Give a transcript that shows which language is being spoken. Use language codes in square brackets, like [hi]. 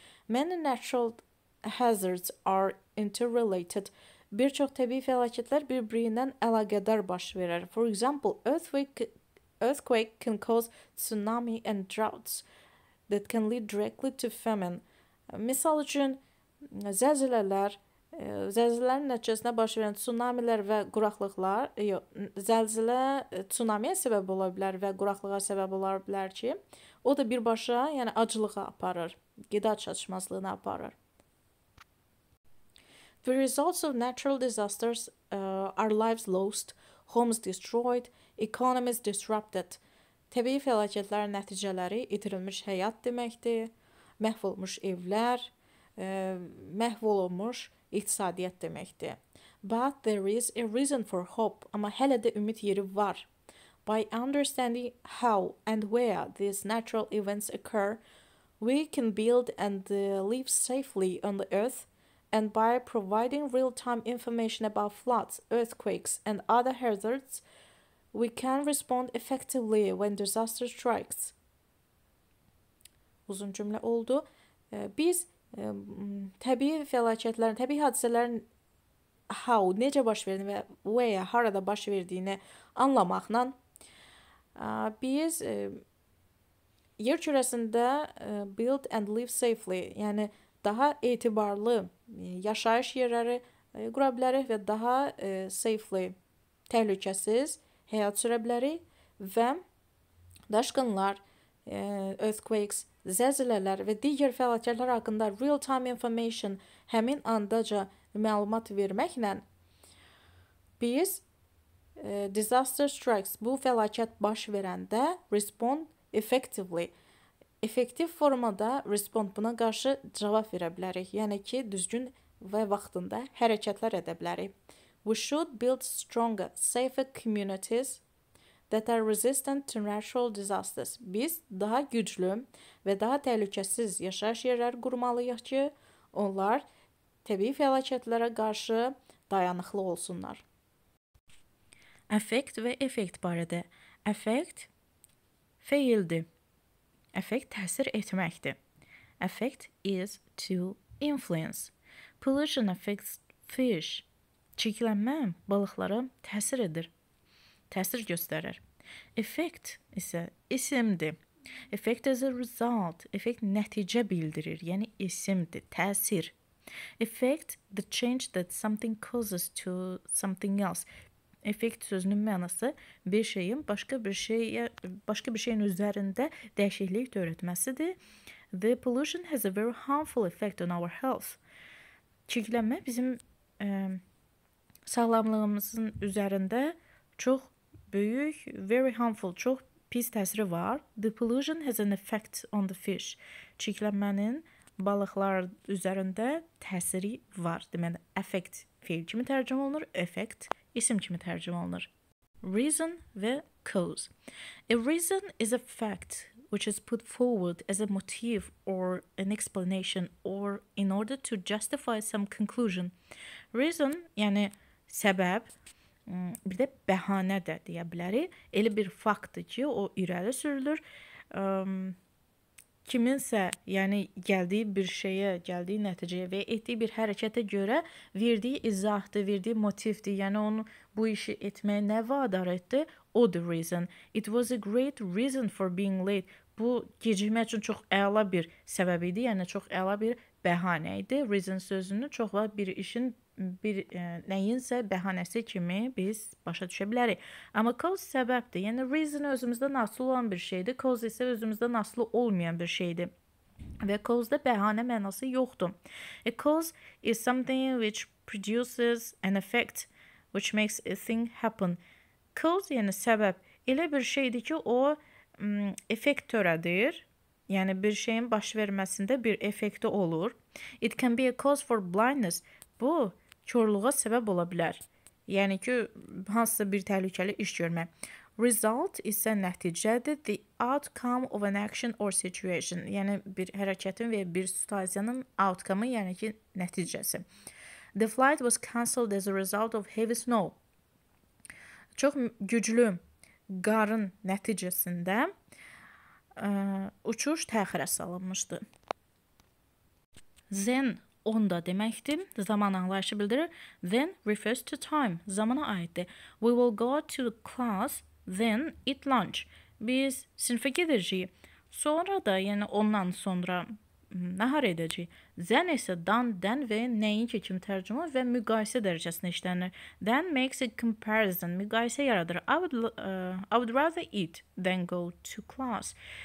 [en] Many natural hazards are interrelated. [az] Bir çox təbii fəlakətlər bir-birindən əlaqədar baş verir. [en] For example, earthquake can cause tsunami and droughts that can lead directly to famine. [az] Misal üçün, zəlzələrin nəticəsində baş verən tsunamilər və quraqlıqlar, zəlzələ tsunamiyə səbəb ola bilər və quraqlığa səbəb ola bilər ki, o da birbaşa, yəni aclığa aparır, qida çatışmazlığına aparır. [en] The results of natural disasters are lives lost, homes destroyed, economies disrupted. [az] Təbii fəlakətlərin nəticələri itirilmiş həyat deməkdir, məhv olmuş evlər, məhv olunmuş iqtisadiyyat deməkdir. [en] But there is a reason for hope, [az] amma hələ də ümid yeri var. [en] By understanding how and where these natural events occur, we can build and live safely on the earth. And by providing real-time information about floods, earthquakes, and other hazards, we can respond effectively when disaster strikes. [az] Uzun cümlə oldu. Biz təbii fəlakətlərin, təbii hadisələrin how, necə baş verdiyini və where, harada baş verdiyini anlamaqla, biz yer kürəsində [en] build and live safely, [az] yəni daha etibarlı yaşayış yerləri qura bilərik və daha safely, təhlükəsiz həyat sürə bilərik və daşqınlar, earthquakes, zəlzələlər və digər fəlakətlər haqqında [en] real-time information [az] həmin andaca məlumat verməklə biz [en] disaster strikes, [az] bu fəlakət baş verəndə [en] respond effectively, [az] effektiv formada respond buna qarşı cavab verə bilərik, yəni ki, düzgün və vaxtında hərəkətlər edə bilərik. [en] We should build stronger, safer communities that are resistant to natural disasters. [az] Biz daha güclü və daha təhlükəsiz yaşayış yerləri qurmalıyıq ki, onlar təbii fəlakətlərə qarşı dayanıqlı olsunlar. Effect və effect barədə. Effect feildir. Effect təsir etməkdir. [en] Effect is to influence. Pollution affects fish. [az] Çirklənmə balıqlara təsir edir. Təsir göstərir. Effect isə isimdir. [en] Effect is a result. [az] Effect nəticə bildirir, yəni isimdir, təsir. [en] Effect the change that something causes to something else. [az] Effect sözünün mənası bir şeyin başqa bir şeyin üzərində dəyişiklik törətməsidir. [en] The pollution has a very harmful effect on our health. [az] Çirklənmə bizim sağlamlığımızın üzərində çox böyük, [en] very harmful, [az] çox pis təsiri var. [en] The pollution has an effect on the fish. [az] Çirklənmənin balıqlar üzərində təsiri var. Deməli, effect fiil kimi tərcümə olunur, effect isim kimi tərcümə olunur. [en] Reason və cause. A reason is a fact which is put forward as a motive or an explanation or in order to justify some conclusion. [az] Reason, yəni səbəb, bir də bəhanə də deyə bilərik. Elə bir faktdır ki, o irəli sürülür. Kiminsə, yəni gəldiyi bir şeyə, gəldiyi nəticəyə və etdiyi bir hərəkətə görə verdiyi izahdır, verdiyi motivdir. Yəni onu bu işi etməyə nə vadar etdi? O [en] the reason. It was a great reason for being late. [az] Bu gecikmək üçün çox əla bir səbəb idi, yəni çox əla bir bəhanə idi. Reason sözünü çox vaxt bir işin bir nəyinsə bəhanəsi kimi biz başa düşə bilərik. Amma cause səbəbdir. Yəni reason özümüzdən asılı olan bir şeydir, cause isə özümüzdən asılı olmayan bir şeydir. Və cause-da bəhanə mənası yoxdur. [en] A cause is something which produces an effect which makes a thing happen. [az] Cause, yəni səbəb, elə bir şeydir ki, o effekt törədir. Yəni bir şeyin baş verməsində bir effekti olur. [en] It can be a cause for blindness. [az] Bu körlüğa səbəb ola bilər. Yəni ki, hansısa bir təhlükəli iş görmək. Result isə nəticədir. [en] The outcome of an action or situation. [az] Yəni, bir hərəkətin və bir situasiyanın outcome-ı, yəni ki, nəticəsi. [en] The flight was cancelled as a result of heavy snow. [az] Çox güclü qarın nəticəsində uçuş təxirə salınmışdı. Zen onda deməkdir, zaman anlayışı bildirir. [en] Then refers to time, [az] zamana aiddir. [en] We will go to class, then eat lunch. [az] Biz sinifə gedəcəyik. Sonra da, yəni ondan sonra nahar edəcəyik. Then isə dan, then və nəinki kimi tərcümə və müqayisə dərəcəsində işlənir. [en] Then makes a comparison, [az] müqayisə yaradır. [en] I would rather eat than go to class.